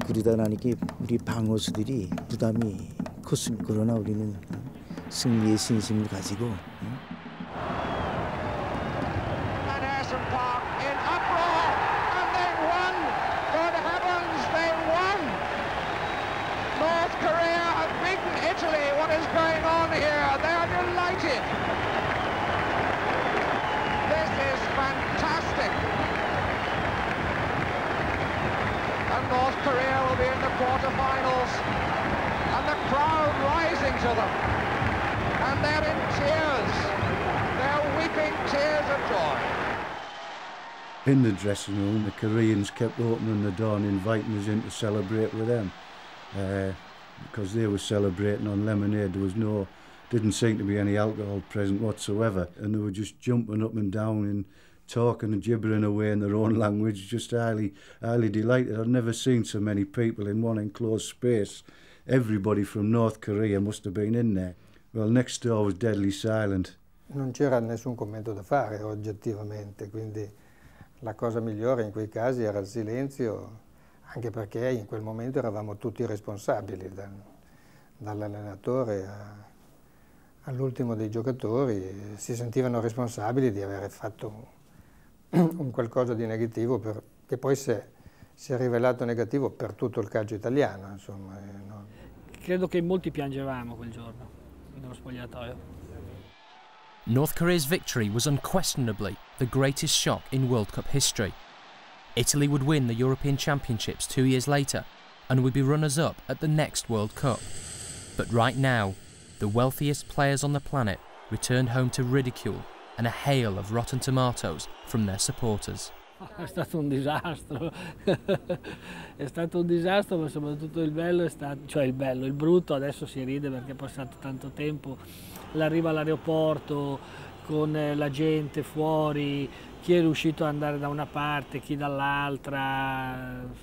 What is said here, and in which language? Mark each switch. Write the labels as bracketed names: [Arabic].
[Korean] 나니까 우리 방어수들이 부담이 컸습니다. 그러나 우리는 승리의 신심을 가지고. [English] And Ayersham Park in uproar, and they won. Good heavens, they won. North Korea have beaten Italy. What is going on here? They are delighted. This is fantastic. North Korea will be in the quarterfinals, and the crowd rising to them, and they're in tears, they're weeping tears of joy. In the dressing room, the Koreans kept opening the door and inviting us in to celebrate with them, because they were celebrating on lemonade. There was no, didn't seem to be any alcohol present whatsoever, and they were just jumping up and down in talking and gibbering away in their own language, just highly, highly delighted. I've never seen so many people in one enclosed space. Everybody from North Korea must have been in there. Well, next door was deadly silent. [Italian] Non c'era nessun commento da fare oggettivamente, quindi la cosa migliore in quei casi era il silenzio, anche perché in quel momento eravamo tutti responsabili, dall'allenatore a all'ultimo dei giocatori, si sentivano responsabili di aver fatto un qualcosa di negativo per, che poi si è rivelato negativo per tutto il calcio italiano, insomma. No. Credo che molti piangevamo quel giorno nello spogliatoio. [English] North Korea's victory was unquestionably the greatest shock in World Cup history. Italy would win the European Championships 2 years later and would be runners-up at the next World Cup. But right now, the wealthiest players on the planet returned home to ridicule and a hail of rotten tomatoes from their supporters. [Italian] È stato un disastro. È stato un disastro, ma soprattutto il bello è stato, cioè il bello, il brutto adesso si ride perché è passato tanto tempo. L'arrivo all'aeroporto con la gente fuori, chi è riuscito ad andare da una parte, chi dall'altra.